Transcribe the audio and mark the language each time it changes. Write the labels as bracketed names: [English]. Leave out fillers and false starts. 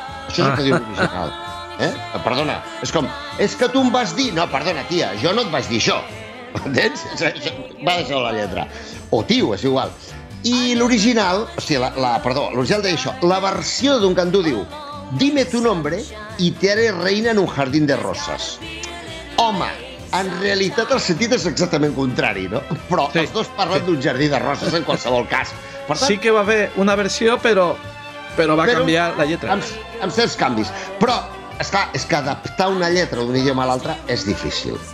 [Catalan] Això és el que diu l'original. Eh? Perdona, és com... És que tu em vas dir... No, perdona, tia, jo no et vaig dir això. Entens? Va deixar la lletra. O tio, és igual. I l'original... O sigui, perdó, l'original deia això. La versió d'un cantó diu... [Spanish] Dime tu nombre y te haré reina en un jardín de rosas. [Catalan] Home, en realitat el sentit és exactament contrari, no? Però sí. Els dos parlen d'un jardí de roses, en qualsevol cas. Per tant, sí que va haver una versió, però... Però va canviar la lletra. Amb certs canvis. Però, esclar, és que adaptar una lletra d'un idioma a l'altre és difícil.